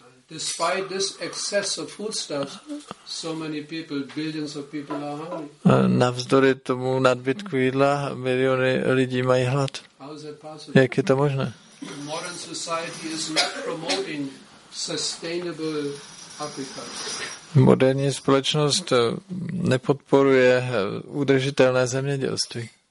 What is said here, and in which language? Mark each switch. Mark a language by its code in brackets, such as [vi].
[en] Despite this excess of foodstuffs, so many people, billions of people are hungry. [cs] Navzdory tomu nadbytku jídla, miliony lidí mají hlad. [en] How is that possible? [cs] Jak je to možné? [en] The modern society is not promoting sustainable agriculture. [cs] Moderní společnost nepodporuje udržitelné zemědělství.